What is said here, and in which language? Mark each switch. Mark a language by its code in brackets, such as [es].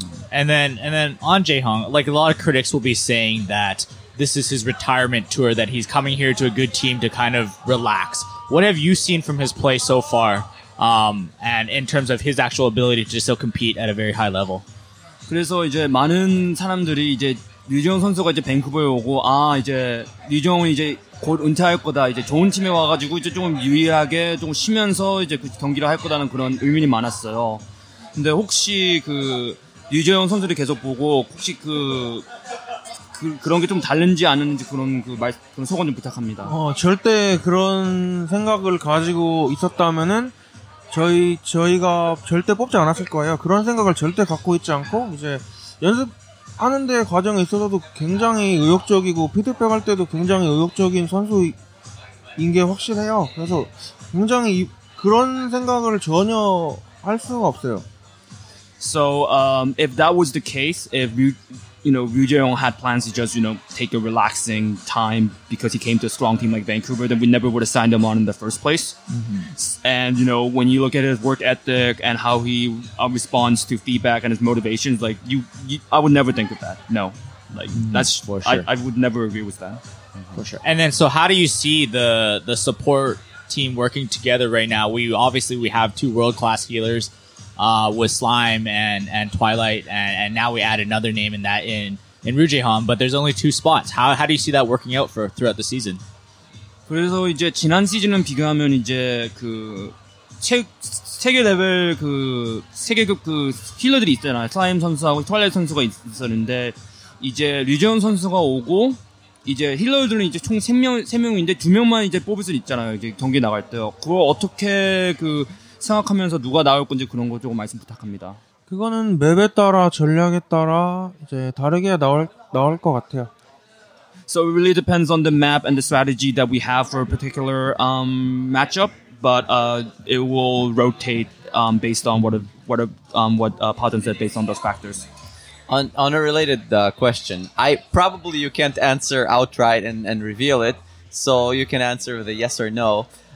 [en] And then on Jae-Hong, like, a lot of critics will be saying that this is his retirement tour, that he's coming here to a good team to kind of relax. What have you seen from his play so far, and in terms of his actual ability to still compete at a very high level? [ko] 그래서 이제 많은 사람들이 이제 류지영 선수가 이제 밴쿠버에 오고 아 이제 류지영은 이제 곧 은퇴할 거다 이제 좋은 팀에 와가지고 이제 조금 유일하게 좀 쉬면서 이제 그 경기를 할 거다는 그런 의문이 많았어요. 근데 혹시 그 류지영 선수를 계속 보고 혹시 그런 게 좀 다른지 아는지 그런 소감 좀 부탁합니다. 절대 그런 생각을 가지고 있었다면은 저희가 절대 뽑지 않았을 거예요. 그런 생각을 절대 갖고 있지 않고 이제 연습하는 데 과정에 있어서도 굉장히 의욕적이고 피드백 할 때도 굉장히 의욕적인 선수인 게 확실해요. 그래서 굉장히 그런 생각을 전혀 할 수가 없어요. [en] So if that was the case, if Ryu Jae-Hong had plans to just, you know, take a relaxing time because he came to a strong team like Vancouver, then we never would have signed him on in the first place. Mm-hmm. And, you know, when you look at his work ethic and how he responds to feedback and his motivations, like, I would never think of that. No. Like, that's for sure. I would never agree with that. Mm-hmm. For sure. And then, so how do you see the support team working together right now? We have two world-class healers. With Slime and Twilight, and now we add another name in that in Ryu Jae-Hong, but there's only two spots. How do you see that working out for throughout the season? [ko] 그래서 이제 지난 시즌은 비교하면 이제 그 세계 레벨 그 세계급 그 힐러들이 있잖아요. 슬라임 선수하고 트와일라이트 선수가 있었는데 이제 Ryu Jae-Hong 선수가 오고 이제 힐러들은 이제 총 3명인데 두 명만 이제 뽑을 수 있잖아요. 이제 경기 나갈 때요. 그걸 어떻게 그 생각하면서 누가 나올 건지 그런 거 조금 말씀 부탁합니다. 그거는 맵에 따라 전략에 따라 이제 다르게 나올 것 같아요. [en] So it really depends on the map and the strategy that we have for a particular matchup, but it will rotate based on what Patton said based on those factors. On a related question, I probably you can't answer outright and reveal it, so you can answer with a yes or no.